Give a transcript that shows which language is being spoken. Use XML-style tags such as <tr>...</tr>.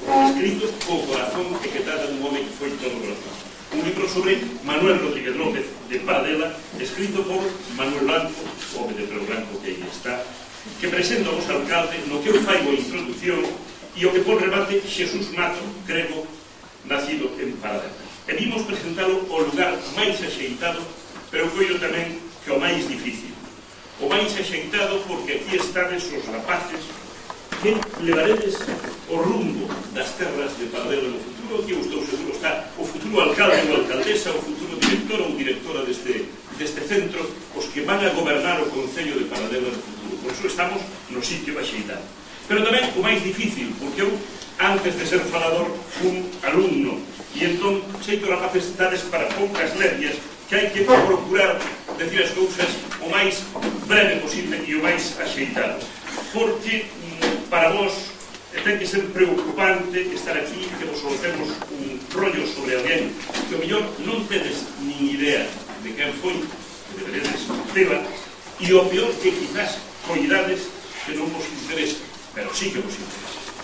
<es>Escrito con corazón que trata de un hombre que fue todo corazón. Un libro sobre Manuel Rodríguez López de Paradela, escrito por Manuel Blanco, hombre de pelo blanco que ahí está, que presento a vos alcalde, no que</es> <gl>eu faigo introducción, e o que pon remate</gl> <es>Xesús Mato, creo, nacido en Paradela.</es> <gl>E vimos presentalo o lugar máis axeitado, pero coido tamén que o máis difícil. O máis axeitado porque aquí estades os rapaces que levaredes o rumbo das terras de Paradela no futuro, que eu estou seguro está o futuro alcalde ou alcaldesa, o futuro director ou directora deste centro, os que van a gobernar o Concello de Paradela no futuro. Por eso estamos no sitio axeitado. Pero tamén o máis difícil, porque eu, antes de ser falador, fun alumno. E entón, sei que o rapaz está para poucas lerias, que hai que procurar decir as cousas o máis breve posible e o máis axeitado. Porque, para vos, ten que ser preocupante estar aquí e que vos soltemos un rollo sobre alguén que, o mellor, non tedes nin idea de quen foi, que deberedes tela, e o peor que quizás coidades que non vos interese, pero sí que vos interese.</gl>